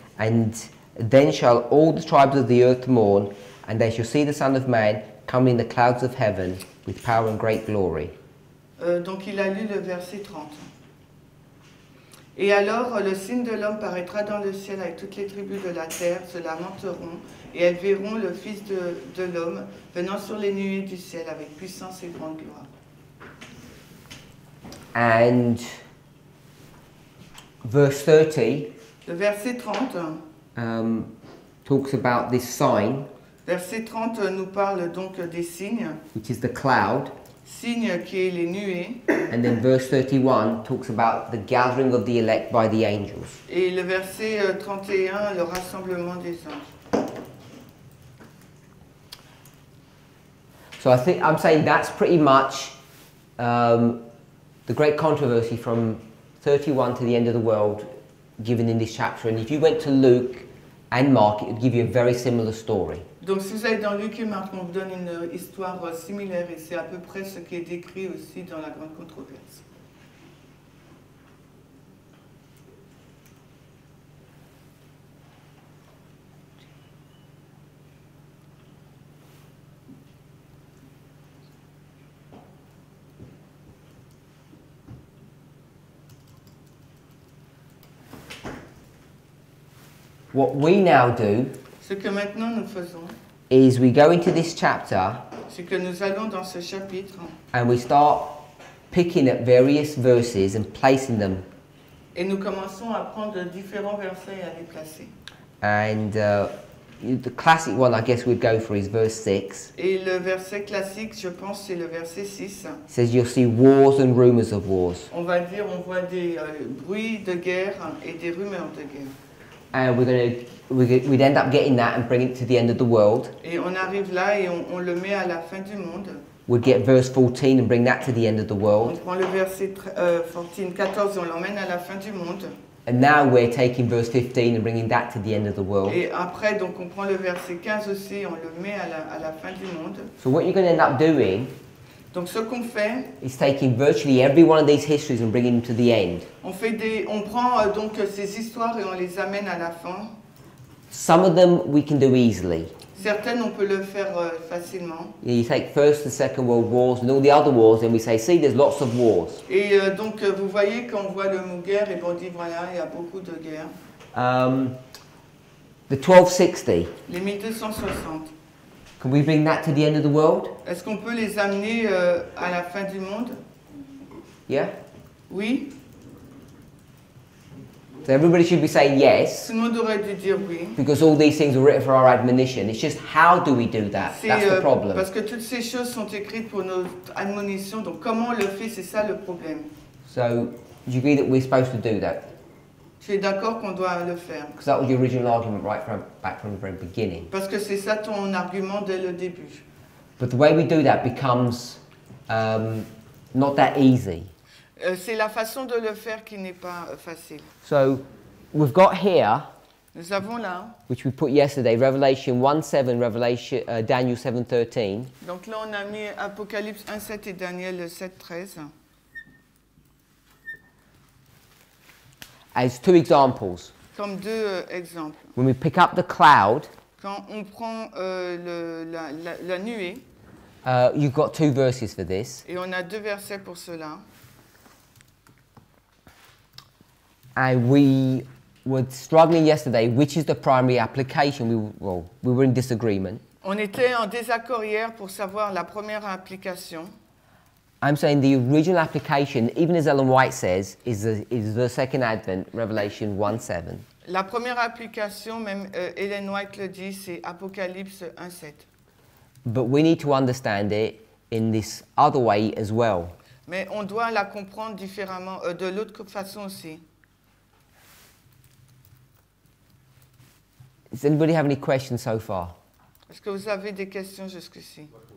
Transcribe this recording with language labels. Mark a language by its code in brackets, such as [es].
[en] And then shall all the tribes of the earth mourn, and they shall see the Son of Man coming in the clouds of heaven with power and great glory. [fr] Donc il a lu le verset 30. Et alors le signe de l'homme paraîtra dans le ciel avec toutes les tribus de la terre, se lamenteront, et elles verront le Fils de l'homme venant sur les nuées du ciel avec puissance et grande gloire. [en] And verse 30. [fr] Le verset 30 [en] talks about this sign. [fr] Verset 30 nous parle donc des signes. [en] Which is the cloud. [fr] Signe qui est les nuées. [en] And then verse 31 talks about the gathering of the elect by the angels. [fr] Et le verset 31, le rassemblement des anges. [en] So I think I'm saying that's pretty much the great controversy from 31 to the end of the world. Given in this chapter, and if you went to Luke and Mark, it would give you a very similar story. [fr] Donc, si vous allez dans Luc et Marc, on vous donne une histoire similaire, et c'est à peu près ce qui est décrit aussi dans la grande controverse. [en] What we now do, [fr] ce que maintenant nous faisons, [en] is we go into this chapter, [fr] ce que nous allons dans ce chapitre, [en] and we start picking at various verses and placing them. [fr] Et nous commençons à prendre différents versets et à les placer. [en] And the classic one, I guess we'd go for, is verse 6. [fr] Et le verset classique, je pense, c'est le verset 6. [en] Says you'll see wars and rumors of wars. [fr] On va dire, on voit des bruits de guerre et des rumeurs de guerre. [en] And we'd end up getting that and bring it to the end of the world. [fr] Et on arrive là et on le met à la fin du monde. [en] We'd get verse 14 and bring that to the end of the world. [fr] On prend le verset 14 et on l'emmène à la fin du monde. [en] And now we're taking verse 15 and bringing that to the end of the world. [fr] Et après, donc on prend le verset 15 aussi et on le met à la fin du monde. [en] So what you're going to end up doing, [fr] Donc ce qu'on fait, [en] is taking virtually every one of these histories and bringing them to the end. [fr] On prend donc ces histoires et on les amène à la fin. [en] Some of them we can do easily. [fr] Certaines on peut le faire facilement. [en] Yeah, you take first and second world wars and all the other wars and we say, see, there's lots of wars. [fr] Et donc vous voyez quand on voit le mot guerre et on dit voilà, il y a beaucoup de guerres. [en] The 1260. [fr] Les 1260. [en] Can we bring that to the end of the world? [fr] Est-ce qu'on peut les amener à la fin du monde? [en] Yeah. [fr] Oui. [en] So everybody should be saying yes. [fr] Tout le monde aurait dû dire oui. [en] Because all these things are written for our admonition. It's just how do we do that? [fr] C'est, [en] that's the problem. [fr] Parce que toutes ces choses sont écrites pour notre admonition. Donc comment on le fait, c'est ça le problème. [en] So, do you agree that we're supposed to do that? [fr] Je suis d'accord qu'on doit le faire. [en] Because that was your original argument right from back from the very beginning. [fr] Parce que c'est ça ton argument dès le début. [en] But the way we do that becomes not that easy. [fr] C'est la façon de le faire qui n'est pas facile. [en] So we've got here. [fr] Nous avons là. [en] Which we put yesterday, Revelation 1:7, Revelation Daniel 7:13. [fr] Donc là on a mis Apocalypse 1:7 et Daniel 7:13. [en] As two examples. [fr] Comme deux exemples. [en] When we pick up the cloud, [fr] quand on prend la nuée, [en] you've got two verses for this. [fr] Et on a deux versets pour cela. [en] And we were struggling yesterday, which is the primary application. We were in disagreement. [fr] On était en désaccord hier pour savoir la première application. [en] I'm saying the original application, even as Ellen White says, is the second advent, Revelation 1:7. [fr] La première application, même Ellen White le dit, c'est Apocalypse 1:7. [en] But we need to understand it in this other way as well. [fr] Mais on doit la comprendre différemment, de l'autre façon aussi. [en] Does anybody have any questions so far? [fr] Est-ce que vous avez des questions jusqu'ici?